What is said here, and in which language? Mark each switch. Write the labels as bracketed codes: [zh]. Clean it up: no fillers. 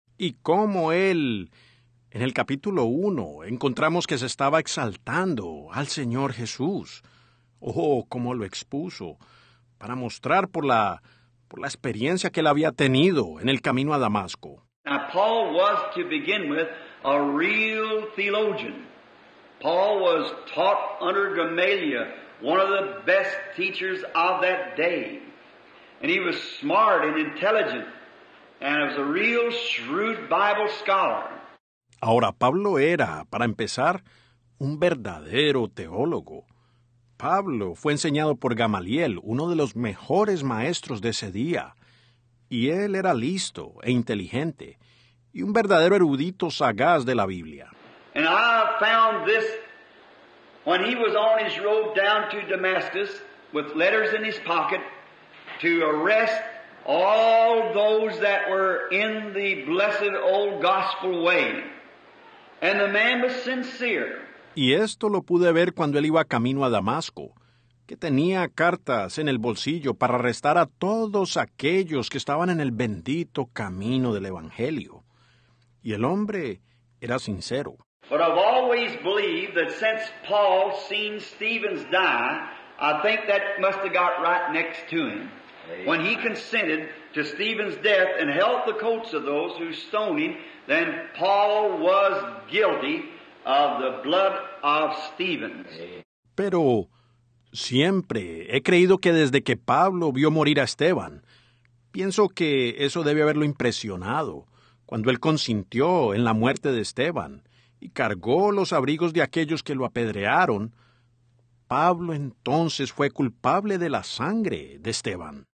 [es] Y cómo él, en el capítulo 1, encontramos que se estaba exaltando al Señor Jesús. Oh, cómo lo expuso para mostrar por la experiencia que él había tenido en el camino a Damasco. [en] Now, Paul was, to begin with, a real theologian. Paul was taught under Gamaliel, one of the best teachers of that day. And he was smart and intelligent, and was a real shrewd Bible scholar. [es] Ahora, Pablo era, para empezar, un verdadero teólogo. Pablo fue enseñado por Gamaliel, uno de los mejores maestros de ese día. Y él era listo e inteligente, y un verdadero erudito sagaz de la Biblia. [en] And I found this when he was on his road down to Damascus with letters in his pocket to arrest all those that were in the blessed old gospel way. And the man was sincere. [es] Y esto lo pude ver cuando él iba camino a Damasco, que tenía cartas en el bolsillo para arrestar a todos aquellos que estaban en el bendito camino del Evangelio. Y el hombre era sincero. [en] But I've always believed that since Paul seen Stephen's die, I think that must have got right next to him. When he consented to Stephen's death and held the coats of those who stoned him, then Paul was guilty of the blood of Stephen. [es] Pero siempre he creído que desde que Pablo vio morir a Esteban, pienso que eso debe haberlo impresionado, cuando él consintió en la muerte de Esteban y cargó los abrigos de aquellos que lo apedrearon, Pablo entonces fue culpable de la sangre de Esteban.